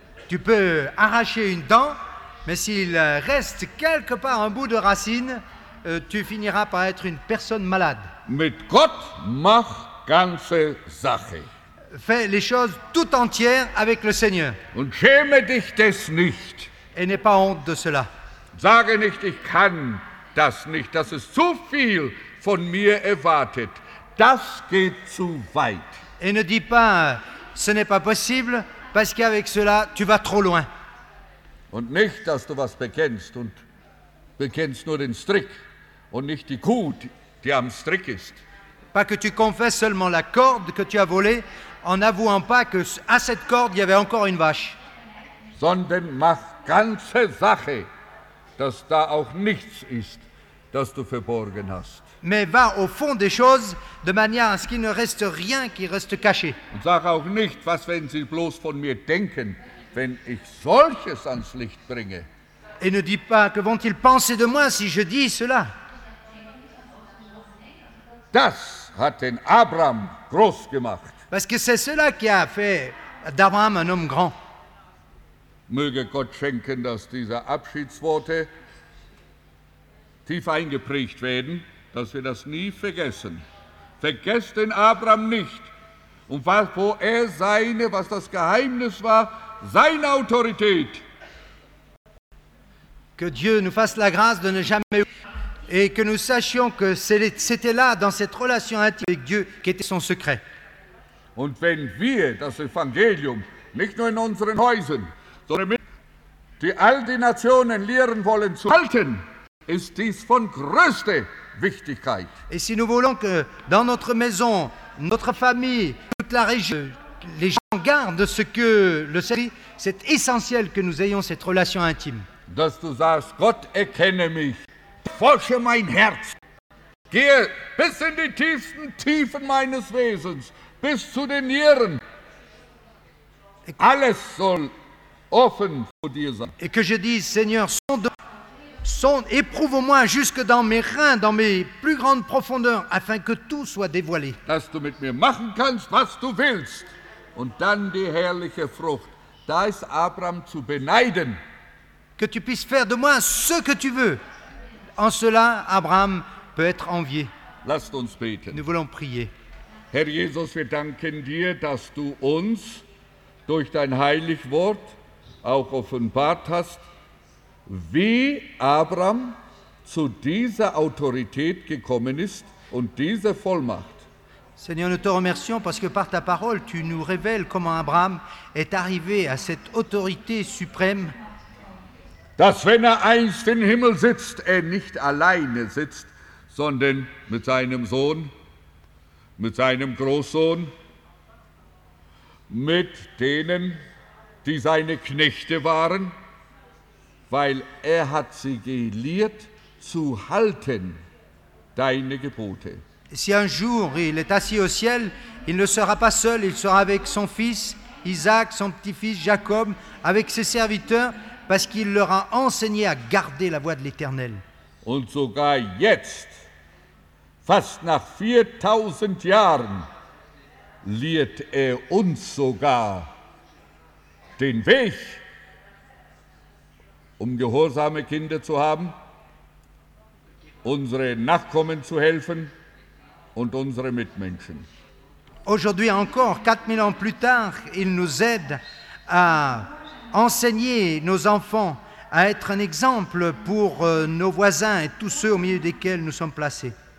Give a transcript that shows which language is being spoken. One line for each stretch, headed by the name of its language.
French: Tu peux arracher une dent, mais s'il reste quelque part un bout de racine, tu finiras par être une personne malade.
German: Mit Gott mach ganze Sache.
French: Fais les choses tout entières avec le Seigneur.
German: Und schäme dich des nicht.
French: Et n'aie pas honte de cela.
German: Sage nicht, ich kann das nicht, das ist zu viel von mir erwartet. Das geht zu weit.
French: Et ne dis pas, ce n'est pas possible, parce qu'avec cela, tu vas trop loin.
German: Und nicht, dass du was bekennst und bekennst nur den Strick und nicht die Kuh, die am Strick ist.
French: Pas que tu confesses seulement la corde que tu as volée, en avouant pas que à cette corde, il y avait encore une vache.
German: Sondern mach ganze Sache, dass da auch nichts ist, das du verborgen hast.
French: Mais va au fond des choses, de manière à ce qu'il ne reste rien qui reste caché.
German: Und sag auch nicht, was wenn sie bloß von mir denken, wenn ich solches ans Licht bringe.
French: Et ne dis pas, que vont-ils penser de moi si je dis cela?
German: Das hat den Abraham groß gemacht.
French: Parce que c'est cela qui a fait d'Abraham un homme grand.
German: Möge Gott schenken, dass diese Abschiedsworte tief eingeprägt werden, dass wir das nie vergessen. Vergesst den Abraham nicht. Und was, wo er seine, was das Geheimnis war, seine Autorität.
French: Que Dieu nous fasse la grâce de ne jamais et que nous sachions que c'était là, dans cette relation intime avec Dieu, qu'était son secret.
German: Und wenn wir das Evangelium nicht nur in unseren Häusern, sondern die all die Nationen lehren wollen zu halten, ist dies von größter Wichtigkeit.
French: Et si nous voulons que dans notre maison, notre famille, toute la région, les gens gardent ce que le Seigneur, c'est essentiel que nous ayons cette relation intime.
German: Dass du sagst, Gott erkenne mich, forsche mein Herz, gehe bis in die tiefsten Tiefen meines Wesens, bis zu den Nieren. Alles soll offen vor dir sein.
French: Et que je dise, Seigneur, éprouve-moi jusque dans mes reins, dans mes plus grandes profondeurs, afin que tout soit dévoilé.
German: Dass du mit mir machen kannst, was du willst. Und dann die herrliche Frucht. Da ist Abraham zu beneiden.
French: Que tu puisses faire de moi ce que tu veux. En cela, Abraham peut être envié.
German: Lasst uns beten.
French: Nous voulons prier.
German: Herr Jesus, wir danken dir, dass du uns durch dein heilig Wort auch offenbart hast, wie Abraham zu dieser Autorität gekommen ist und diese Vollmacht.
French: Seigneur, nous te remercions parce que par ta parole, tu nous révèles comment Abraham est arrivé à cette autorité suprême.
German: Dass wenn er einst im Himmel sitzt, er nicht alleine sitzt, sondern mit seinem Sohn, mit seinem Großsohn, mit denen, die seine Knechte waren, weil er hat sie gelehrt zu halten, deine Gebote.
French: Si un jour il est assis au ciel, il ne sera pas seul, il sera avec son fils Isaac, son petit-fils Jacob, avec ses serviteurs, parce qu'il leur a enseigné à garder la voie de l'Éternel.
German: Und sogar jetzt, fast nach 4000 Jahren, lehrt er uns sogar den Weg, um gehorsame Kinder zu haben, unsere Nachkommen zu helfen und unsere Mitmenschen.
French: Aujourd'hui encore, 4000 ans plus tard, il nous aide à enseigner nos enfants à être un exemple pour nos voisins et tous ceux au milieu desquels nous sommes placés.